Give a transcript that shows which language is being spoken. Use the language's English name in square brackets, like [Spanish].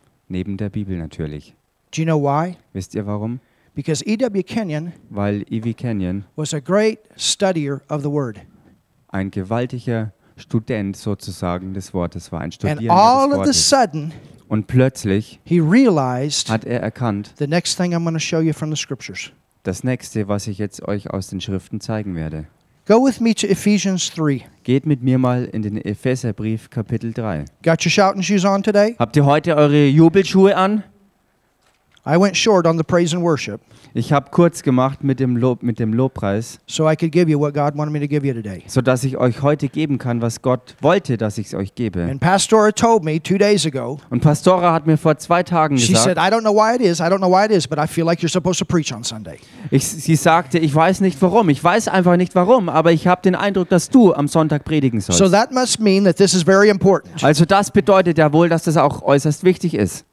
[German] Neben der Bibel natürlich. [English] Do you know why? [German] Wisst ihr warum? [English] Because E.W. Kenyon, [German] weil E.W. Kenyon, [English] was a great studier of the word. [German] Ein gewaltiger Student sozusagen des Wortes war, ein Studierender des [English] all [German] Wortes. [English] Of the sudden, [German] und plötzlich [English] he realized, [German] hat er erkannt, [English] the next thing I'm going to show you from the scriptures. [German] Das nächste, was ich jetzt euch aus den Schriften zeigen werde. [English] Go with me to Ephesians 3. [German] Geht mit mir mal in den Epheserbrief, Kapitel 3. [English] Got your shouting shoes on today? [German] Habt ihr heute eure Jubelschuhe an? [English] I went short on the praise and worship. [German] Ich habe kurz gemacht mit dem Lob, mit dem Lobpreis. [English] So I could give you what God wanted me to give you today. [German] So dass ich euch heute geben kann, was Gott wollte, dass ich es euch gebe. [English] And Pastora told me 2 days ago. [German] Und Pastora hat mir vor 2 Tagen gesagt. [English] She said, I don't know why it is. I don't know why it is, but I feel like you're supposed to preach on Sunday. [German] Sie sagte, ich weiß nicht warum. Ich weiß einfach nicht warum, aber ich habe den Eindruck, dass du am Sonntag predigen sollst. [English] So that must mean that this is very important. [German] Also das bedeutet ja wohl, dass das auch äußerst wichtig ist.